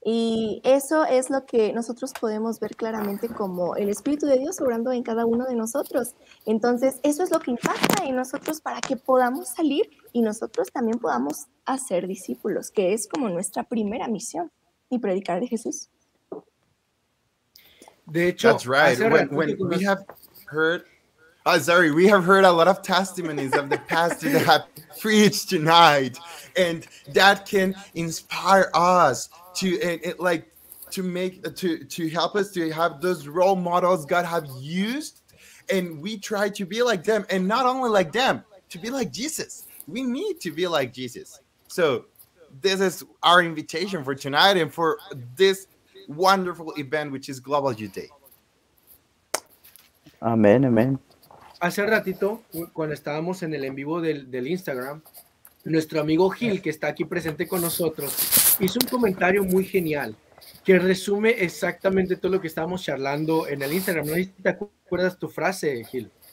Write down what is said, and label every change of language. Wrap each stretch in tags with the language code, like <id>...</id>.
<es>Y eso es lo que nosotros podemos ver claramente como el Espíritu de Dios obrando en cada uno de nosotros. Entonces, eso es lo que impacta en nosotros para que podamos salir y nosotros también podamos hacer discípulos, que es como nuestra primera misión, y predicar de Jesús. De hecho,</es> <en>that's right. When we have heard, we have heard a lot of testimonies of the pastor that have preached tonight, and that can inspire us to help us to have those role models God have used and we try to be like them, and not only like them, to be like Jesus. We need to be like Jesus. So this is our invitation for tonight and for this wonderful event, which is Global Youth Day.</en> <es>Amén, amén. Hace ratito, cuando estábamos en el en vivo del Instagram, nuestro amigo Gil, que está aquí presente con nosotros, hizo un comentario muy genial que resume exactamente todo lo que estábamos charlando en el Instagram. ¿No te acuerdas tu frase, Gil?</es>